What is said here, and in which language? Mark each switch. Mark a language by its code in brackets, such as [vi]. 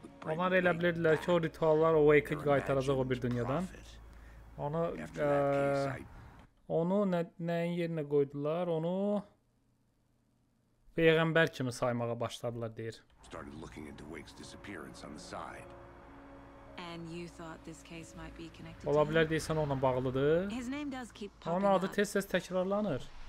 [az] Onlar elə bilirdilər ki, o rituallar o Wake'ı qaytaracaq o bir dünyadan. Onu nəyin yerinə qoydular? Onu Peyğəmbər kimi saymağa başladılar, deyir. [en] Started looking into Wake's disappearance on the side. And you thought this case might be connected. [az] Ola bilər deyəsən onunla bağlıdır. Onun adı tez-tez təkrarlanır.